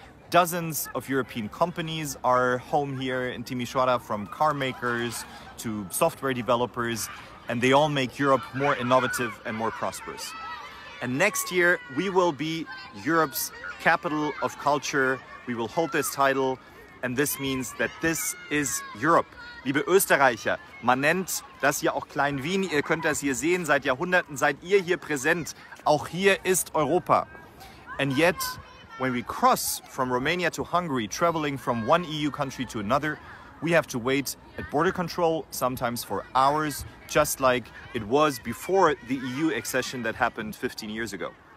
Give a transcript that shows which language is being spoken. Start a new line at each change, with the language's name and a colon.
English: Dozens of European companies are home here in Timisoara, from car makers to software developers, and they all make Europe more innovative and more prosperous. And next year, we will be Europe's capital of culture. We will hold this title, and this means that this is Europe.
German: Liebe Österreicher, man nennt das ja auch Klein Wien. Ihr könnt das hier sehen, seit Jahrhunderten seid ihr hier präsent. Auch hier ist Europa.
English: And yet, when we cross from Romania to Hungary, traveling from one EU country to another, we have to wait at border control, sometimes for hours, just like it was before the EU accession that happened 15 years ago.